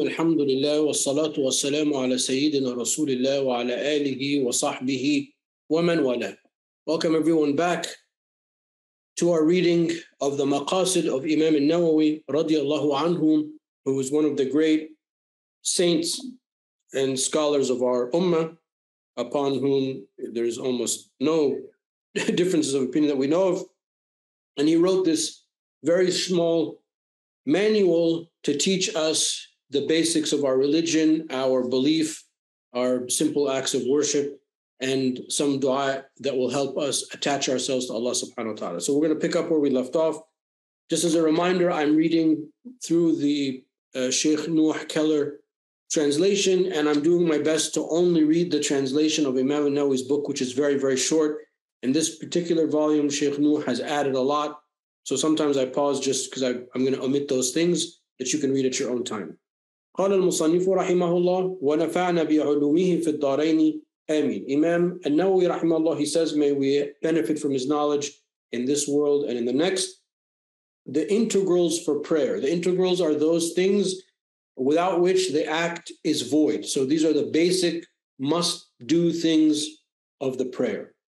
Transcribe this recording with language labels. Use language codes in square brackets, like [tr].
[ar] الحمد لله والصلاة والسلام على سيدنا رسول الله وعلى آله وصحبه ومن والاه. [en] Welcome everyone back to our reading of the Maqasid of Imam al-Nawawi رضي الله عنه, who was one of the great saints and scholars of our ummah, upon whom there is almost no differences of opinion that we know of. And he wrote this very small manual to teach us the basics of our religion, our belief, our simple acts of worship, and some dua that will help us attach ourselves to Allah subhanahu wa ta'ala. So we're going to pick up where we left off. Just as a reminder, I'm reading through the Sheikh Nuh Keller translation, and I'm doing my best to only read the translation of Imam al-Nawawi's book, which is very, very short. In this particular volume, Sheikh Nuh has added a lot. So sometimes I pause just because I'm going to omit those things that you can read at your own time. [ar] قال المصنف رحمه الله ونفعنا بعلومه في الدارين آمين. [en] Imam al-Nawawi رحمه الله, he says, may we benefit from his knowledge in this world and in the next. The integrals for prayer. The integrals are those things without which the act is void. So these are the basic must-do things of the prayer.